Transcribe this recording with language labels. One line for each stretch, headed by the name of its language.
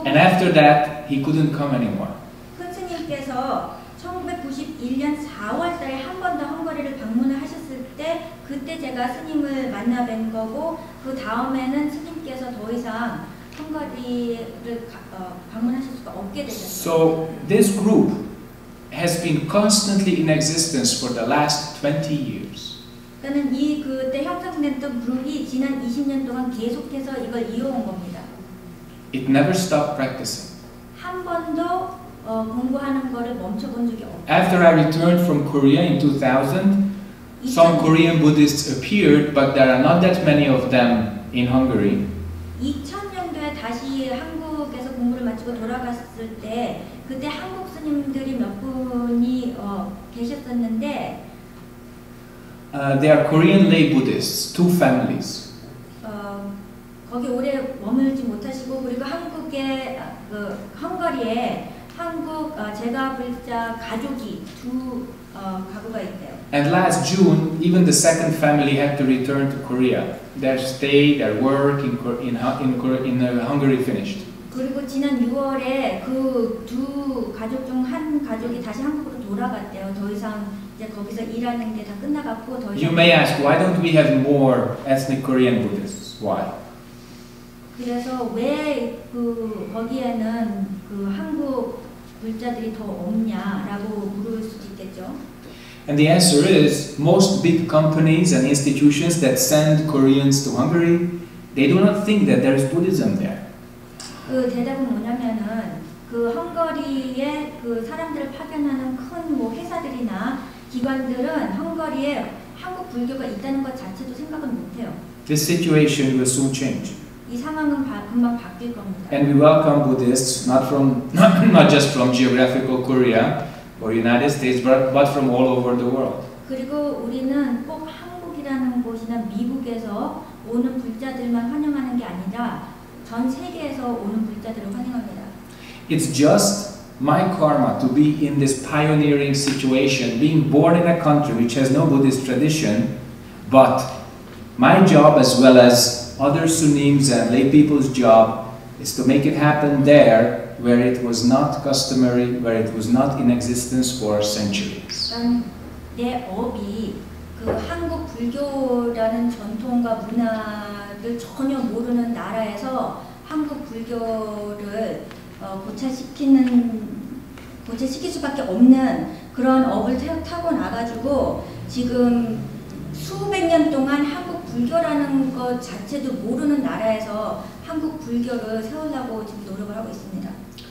English: and after that he couldn't come anymore.
Korean: 대해서 1991년 4월달에 한 번 더 헝가리를 방문을 하셨을 때 그때 제가 스님을 만나 뵌 거고 그 다음에는 스님께서 더 이상 헝가리를 방문하실 수가 없게 되셨어요.
English: So this group has been constantly in existence for the last 20 years.
Korean: 그는 이 그때 형성됐던 그룹이 지난 20년 동안 계속해서 이걸 이어온 겁니다.
English: It never stopped practicing.
Korean: 한 번도 공부하는 거를 멈춰본 적이 없어요.
English: After I returned from Korea in 2000, some Korean Buddhists appeared, but there are not that many of them in Hungary.
Korean: 2000년도에 다시 한국에서 공부를 마치고 돌아갔을 때 그때 한국 스님들이 몇 분이 계셨었는데
English: They are Korean lay Buddhists, two families.
Korean: 거기 오래 머물지 못하시고 그리고 한국에 그 헝가리에 한국 제가 불자 가족이 두 가구가 있대요.
English: And last June, even the second family had to return to Korea. Their stay, their work in Hungary finished.
Korean: 그리고 지난 6월에 그 두 가족 중 한 가족이 다시 한국으로 돌아갔대요. 더 이상 이제 거기서 일하는 게 다 끝나갔고 더 이상
English: You may ask why don't we have more ethnic Korean Buddhists? Why?
Korean: 그래서 왜 그 거기에는 그 한국 불자들이 더 없냐라고 물을 수도 있겠죠.
English: And the answer is most big companies and institutions that send Koreans to Hungary, they do not think that there is Buddhism there.
Korean: 그 대답은 뭐냐면은 그 헝가리에 그 사람들을 파견하는 큰 뭐 회사들이나 기관들은 헝가리에 한국 불교가 있다는 것 자체도 생각은 못해요.
English: This situation will soon change.
Korean: 이 상황은 금방 바뀔 겁니다.
English: And we welcome Buddhists not just from geographical Korea or United States, but from all over the world.
Korean: 그리고 우리는 꼭 한국이라는 곳이나 미국에서 오는 불자들만 환영하는 게 아니라 전 세계에서 오는 불자들을 환영합니다.
English: It's just my karma to be in this pioneering situation, being born in a country which has no Buddhist tradition, but my job as well as other sunnims and lay people's job is to make it happen there where it was not customary, where it was not in existence for centuries.
Korean: 내 업이 그 한국 불교라는 전통과 문화를 전혀 모르는 나라에서 한국 불교를 고찰시킬 수밖에 없는 그런 업을 타고 나가지고 지금 수백 년 동안 한국 불교라는 것 자체도 모르는 나라에서 한국 불교를 세우려고 지금 노력을 하고 있습니다.